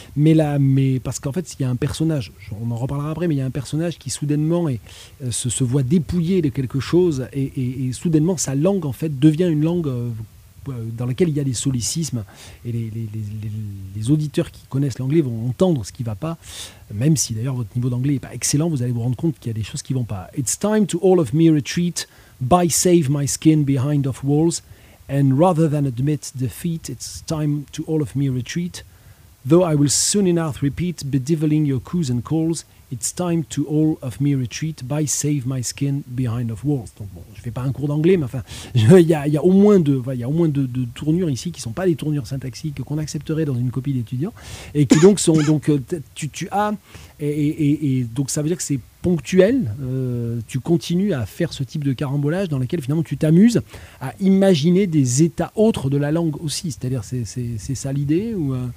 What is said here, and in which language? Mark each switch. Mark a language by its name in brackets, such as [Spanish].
[French] Mais parce qu'en fait, il y a un personnage, on en reparlera après, mais il y a un personnage qui soudainement se voit dépouillé de quelque chose et soudainement sa langue en fait devient une langue dans laquelle il y a des solécismes et les auditeurs qui connaissent l'anglais vont entendre ce qui va pas, même si d'ailleurs votre niveau d'anglais est pas excellent, vous allez vous rendre compte qu'il y a des choses qui vont pas. [English] It's time to all of me retreat, by save my skin behind of walls. And rather than admit defeat, it's time to all of me retreat. Though I will soon enough repeat, bedeviling your coups and calls, it's time to all of me retreat, by save my skin behind of walls. [French] Donc bon, je ne fais pas un cours d'anglais, mais enfin, il y a au moins deux tournures ici qui ne sont pas des tournures syntaxiques qu'on accepterait dans une copie d'étudiant, et qui donc sont, donc tu as, et donc ça veut dire que c'est ponctuel, tu continues à faire ce type de carambolage dans lequel finalement tu t'amuses à imaginer des états autres de la langue aussi, c'est-à-dire c'est ça l'idée ou